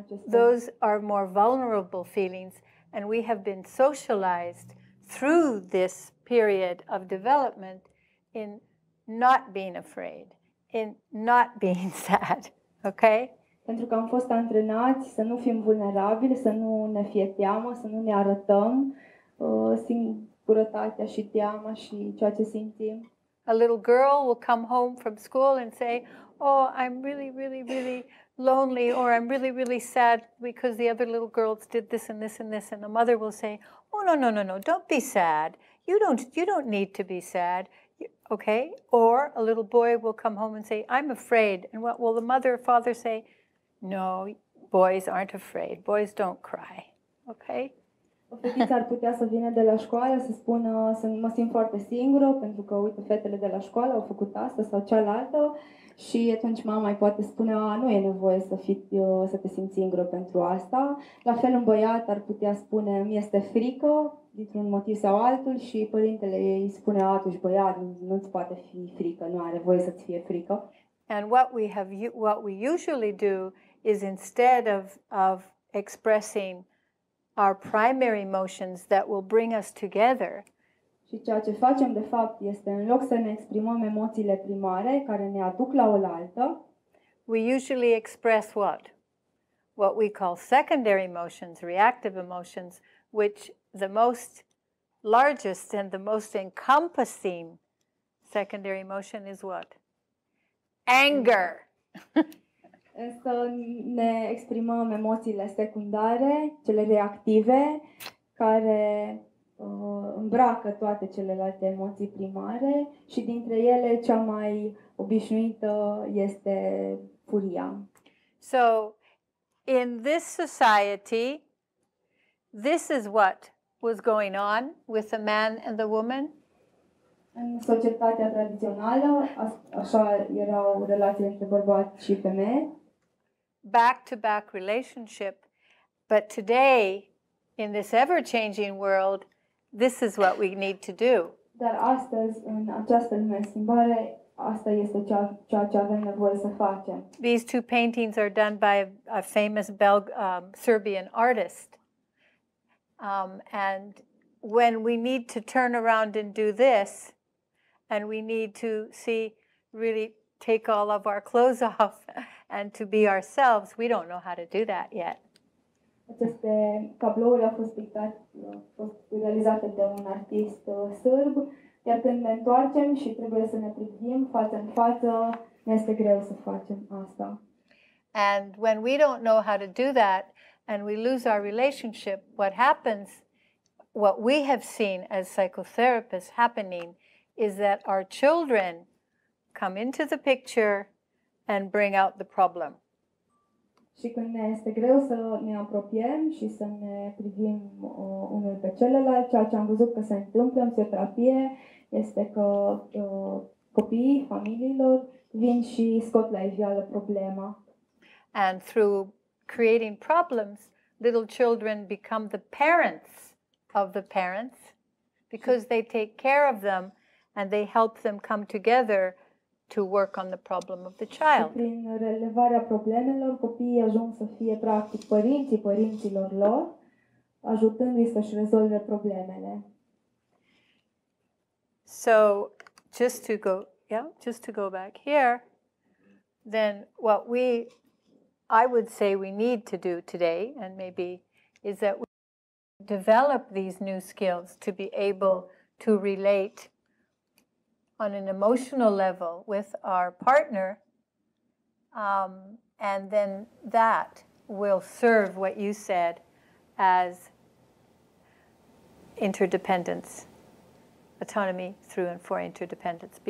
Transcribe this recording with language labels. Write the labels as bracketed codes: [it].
[en] Those are more vulnerable feelings, and we have been socialized through this period of development in not being afraid, in not being sad. Okay? [ro] Pentru că am fost antrenați să nu fim vulnerabili, să nu ne fie teamă, să nu ne arătăm singurătatea și teama și ceea ce simțim. [en] A little girl will come home from school and say, oh, I'm really, really, really lonely, or I'm really, really sad because the other little girls did this and this and this. And the mother will say, oh, no, no, no, no, don't be sad. You don't need to be sad. Okay? Or a little boy will come home and say, I'm afraid. And what will the mother or father say? No, boys aren't afraid. Boys don't cry. Okay? [ro] O fetiță ar putea să vină de la școală să spună, mă simt foarte singură pentru că, uite, fetele de la școală au făcut asta sau cealaltă și atunci mama îi poate spune, nu e nevoie să te simți singură pentru asta. La fel, un băiat ar putea spune, mi-este frică dintr-un motiv sau altul și părintele îi spune, atunci băiat, nu-ți poate fi frică, nu are voie să-ți fie frică. [en] And what we usually do is instead of expressing our primary emotions that will bring us together. [ro] Și ceea ce facem de fapt este în loc să ne exprimăm emoțiile primare care ne aduc la oaltă. [en] We usually express what we call secondary emotions, reactive emotions, which the most largest and the most encompassing secondary emotion is what? Anger. [ro] Să ne exprimăm emoțiile secundare, cele reactive, care îmbracă toate celelalte emoții primare și dintre ele cea mai obișnuită este furia. [en] So, in this society, this is what was going on with the man and the woman. [ro] În societatea tradițională, așa erau relațiile între bărbat și femeie. [en] Back-to-back relationship, but today, in this ever-changing world, this is what we need to do. [ro] Dar astăzi, în această lume schimbare, asta este ceea ce avem nevoie să facem. [en] These two paintings are done by a famous Serbian artist. And when we need to turn around and do this, and we need to see, really take all of our clothes off, and to be ourselves, we don't know how to do that yet. [ro] Aceste tablouri au fost realizate de un artist sârb, iar când ne întoarcem și trebuie să ne privim față în față, ne este greu să facem asta. [en] And when we don't know how to do that and we lose our relationship, what happens, what we have seen as psychotherapists happening, is that our children come into the picture and bring out the problem. [ro] Și când ne este greu să ne apropiem și să ne privim unul pe celălalt, ceea ce am văzut că se întâmplă în terapie este că copiii familiilor vin și scot la iveală problema. [en] And through creating problems, little children become the parents of the parents because they take care of them and they help them come together to work on the problem of the child. [ro] Prin relevarea problemelor, copiii ajung să fie practic părinții părinților lor, ajutându-i să-și rezolve problemele. [en] So, just to go back here, then what I would say we need to do today, and maybe is that we develop these new skills to be able to relate on an emotional level with our partner, and then that will serve what you said as interdependence, autonomy through and for interdependence.